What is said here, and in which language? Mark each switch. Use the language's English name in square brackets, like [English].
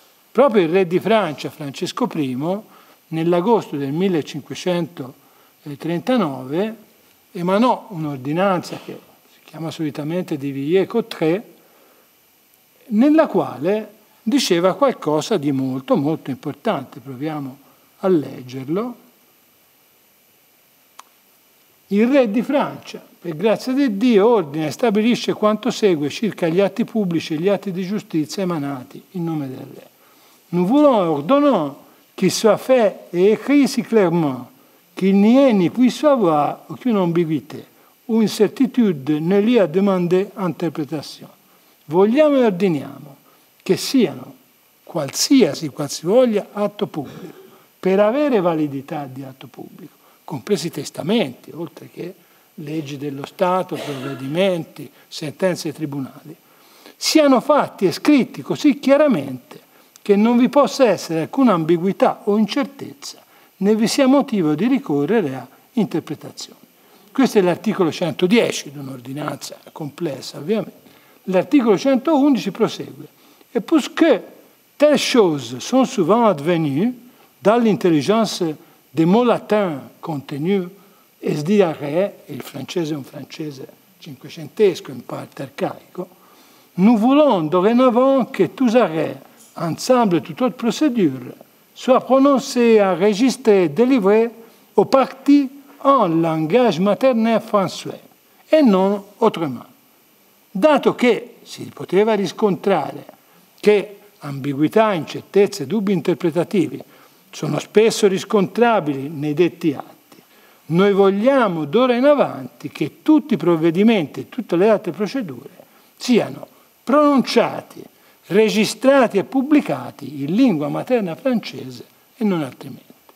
[Italian] Proprio il re di Francia, Francesco I, nell'agosto del 1539, emanò un'ordinanza che si chiama solitamente di Villiers-Cotterêts, nella quale diceva qualcosa di molto, molto importante. Proviamo a leggerlo. Il re di Francia, per grazia di Dio, ordina e stabilisce quanto segue circa gli atti pubblici e gli atti di giustizia emanati in nome del re. [French] Nous voulons ordonner qu'il soit fait et écrit si clairement qu'il n'y ait ni puisse avoir aucune ambiguïté ou incertitude ne lui a demandé interprétation. [Italian] Vogliamo e ordiniamo che siano qualsivoglia atto pubblico, per avere validità di atto pubblico, compresi testamenti, oltre che leggi dello Stato, provvedimenti, sentenze dei tribunali, siano fatti e scritti così chiaramente che non vi possa essere alcuna ambiguità o incertezza, né vi sia motivo di ricorrere a interpretazioni. Questo è l'articolo 110 di un'ordinanza complessa, ovviamente. L'articolo 111 prosegue. [French] Et puisque telles choses sont souvent advenues dans l'intelligence des mots latins contenus es diare, [Italian] il francese è un francese cinquecentesco, in parte arcaico, [French] nous voulons dorénavant que tous arrêts, ensemble toute autre procédure, soient prononcés, enregistrés, délivrés au parti en langage maternel français, et non autrement. [Italian] Dato che si poteva riscontrare che ambiguità, incertezze, dubbi interpretativi sono spesso riscontrabili nei detti atti, noi vogliamo d'ora in avanti che tutti i provvedimenti e tutte le altre procedure siano pronunciati, registrati e pubblicati in lingua materna francese e non altrimenti.